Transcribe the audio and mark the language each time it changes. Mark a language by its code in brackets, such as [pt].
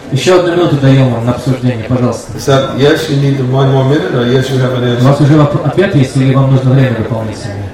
[ru] Еще одну минуту даем вам на обсуждение, пожалуйста. [en] Is that yes, you need one more minute, or yes, you have an answer? [ru] У вас уже ответ есть, или вам нужно время дополнительное?